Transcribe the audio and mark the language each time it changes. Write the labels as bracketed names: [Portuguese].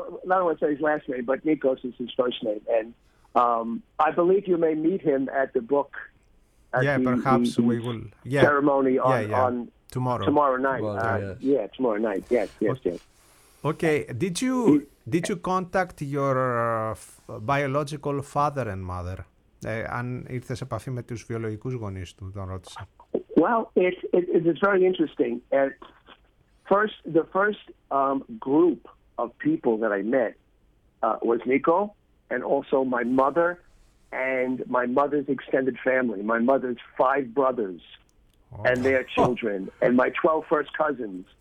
[English] Not only say his last name, but Nikos is his first name, and I believe you may meet him at the book. Ceremony on tomorrow night. Tomorrow night. Yes. Okay. Did you contact your biological father and mother? [Greek] Αν ήρθες σε επαφή με τους βιολογικούς γονείς του, τον ρώτησα. [English] Well, it's very interesting. At first, the first group of people that I met was Nico and also my mother and my mother's extended family, my mother's five brothers and their children and my 12 first cousins.